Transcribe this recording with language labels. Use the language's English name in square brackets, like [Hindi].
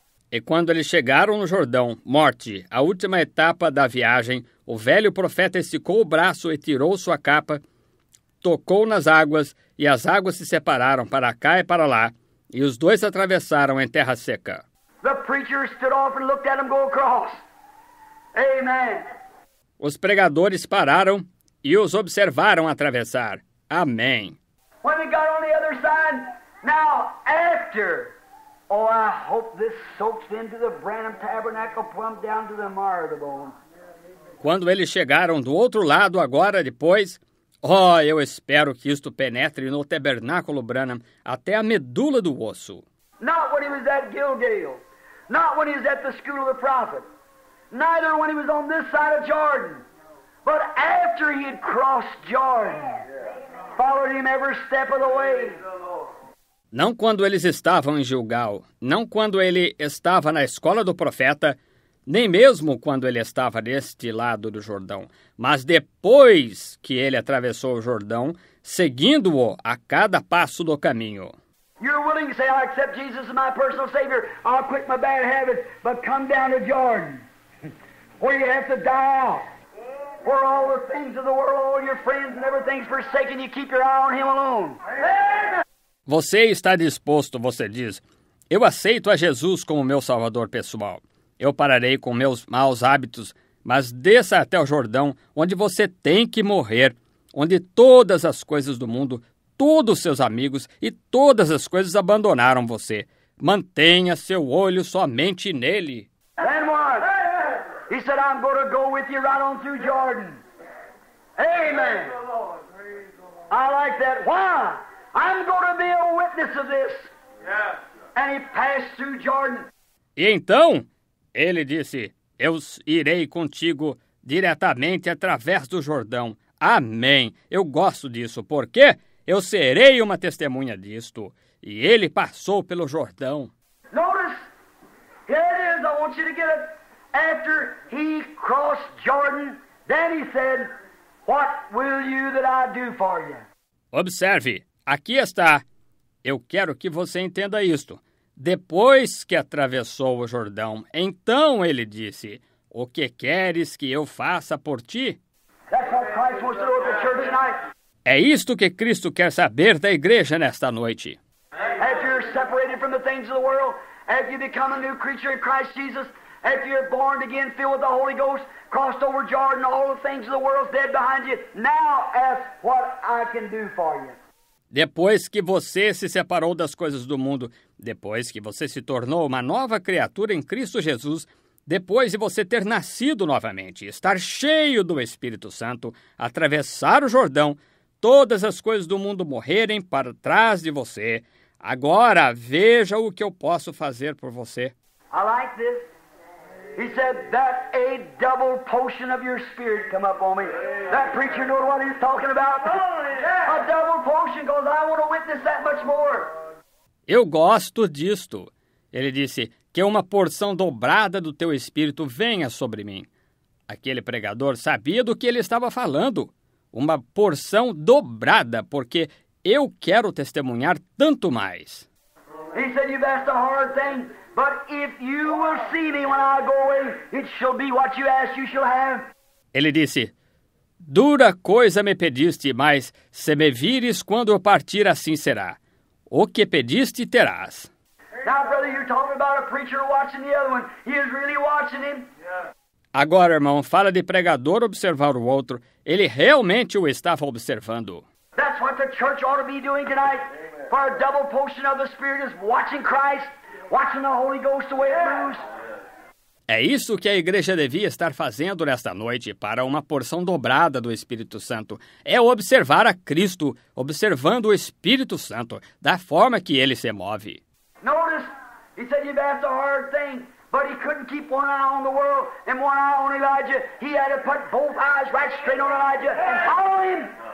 [Portuguese] E quando eles chegaram no Jordão, morte, a última etapa da viagem, o velho profeta esticou o braço e tirou sua capa, tocou nas águas, e as águas se separaram para cá e para lá, e os dois atravessaram em terra seca. [English] The preacher stood off and looked at them go across. Amen. [Portuguese] Os pregadores pararam e os observaram atravessar. Amém. [English] When they got on the other side, now after... Oh, I hope this soaks into the Branham Tabernacle, plumb down to the marrow of the bone. [Portuguese] Quando eles chegaram do outro lado, agora, depois, oh, eu espero que isto penetre no Tabernáculo Branham até a medula do osso. [English] Not when he was at Gilgal, not when he was at the school of the prophet, neither when he was on this side of Jordan, but after he had crossed Jordan, followed him every step of the way. [Portuguese] Não quando eles estavam em Gilgal, não quando ele estava na escola do profeta, nem mesmo quando ele estava deste lado do Jordão, mas depois que ele atravessou o Jordão, seguindo-o a cada passo do caminho. [English] You're willing to say, I accept Jesus as my personal Savior. I'll quit my bad habits, but come down to Jordan, where you have to die out. Where all the things of the world, all your friends and everything's forsaken, you keep your eye on Him alone. Amen. [Portuguese] Você está disposto, você diz, eu aceito a Jesus como meu Salvador pessoal. Eu pararei com meus maus hábitos, mas desça até o Jordão, onde você tem que morrer, onde todas as coisas do mundo, todos os seus amigos e todas as coisas abandonaram você. Mantenha seu olho somente nele. [English] Then what? He said, I'm going to go with you right on through Jordan. Amen. I like that. Why? I'm going to be a witness of this. Yeah. And he passed through Jordan. [Portuguese] E então, ele disse, eu irei contigo diretamente através do Jordão. Amém. Eu gosto disso. Por quê? Eu serei uma testemunha disto. E ele passou pelo Jordão. [English] Notice, here it is, I want you to get it. After he crossed Jordan, then he said, what will you that I do for you? [Portuguese] Observe, aqui está. Eu quero que você entenda isto. Depois que atravessou o Jordão, então ele disse, o que queres que eu faça por ti? [English] That's what Christ wants to do with the church tonight. [Portuguese] É isto que Cristo quer saber da igreja nesta noite. [English] If you're separated from the things of the world, if you become a new creature in Christ Jesus, if you're born again, filled with the Holy Ghost, crossed over Jordan, all the things of the world dead behind you, now ask what I can do for you. [Portuguese] Depois que você se separou das coisas do mundo, depois que você se tornou uma nova criatura em Cristo Jesus, depois de você ter nascido novamente, estar cheio do Espírito Santo, atravessar o Jordão, todas as coisas do mundo morrerem para trás de você. Agora veja o que eu posso fazer por você. [English] I like this. He said that a double portion of your spirit come up on me. That preacher knows what he's talking about. A double portion, because I want to witness that much more. [Portuguese] Eu gosto disto. Ele disse que uma porção dobrada do teu espírito venha sobre mim. Aquele pregador sabia do que ele estava falando. Uma porção dobrada, porque eu quero testemunhar tanto mais. [English] He said you've asked a hard thing, but if you will see me when I go away, it shall be what you ask, you shall have. [Portuguese] Ele disse, dura coisa me pediste, mas se me vires quando eu partir, assim será. O que pediste, terás. [English] Now, brother, you're talking about a preacher watching the other one. He is really watching him. Yeah. [Portuguese] Agora, irmão, fala de pregador observar o outro. Ele realmente o estava observando. [English] That's what the church ought to be doing tonight. Amen. For a double portion of the Spirit is watching Christ, watching the Holy Ghost the way it moves. [Portuguese] É isso que a igreja devia estar fazendo nesta noite para uma porção dobrada do Espírito Santo. É observar a Cristo, observando o Espírito Santo, da forma que ele se move. [English] Notice, he said you've asked a hard thing. But he couldn't keep one eye on the world and one eye on Elijah. He had to put both eyes right straight on Elijah and follow him.